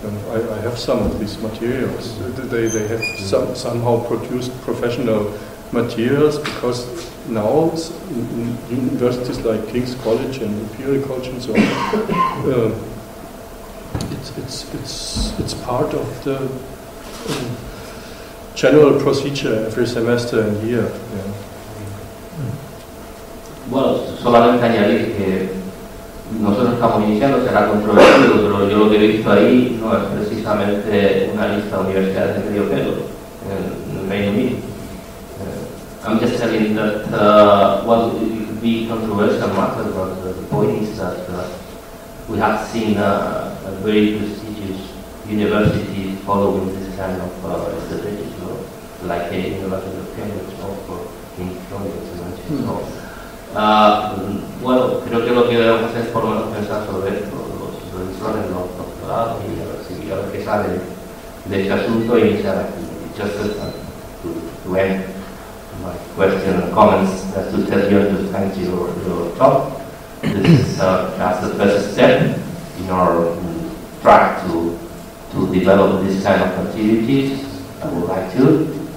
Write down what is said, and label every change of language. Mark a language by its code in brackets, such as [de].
[en] I have some of these materials. They have somehow produced professional materials, because now in universities like King's College and Imperial College and so on, it's part of the general procedure every semester and year. Yeah. [es] Bueno, solamente añadir que nosotros estamos iniciando, será controvertido, pero yo lo que he visto ahí no es precisamente una lista de universidades de medio pelo en el Reino Unido. [en] I'm just telling that what could be controversial matter, but the point is that we have seen a very prestigious university following this kind of strategy. Like the University of Cambridge or King Florence, well, [es] creo que lo que debemos hacer es por lo menos pensar sobre esto, los profesores, los doctorados, y a ver qué sale de este asunto y iniciar aquí. [en] Just to end my question and comments, as to tell you, to thank your talk. This is just the first step in our track to develop this kind of activities. I would like to.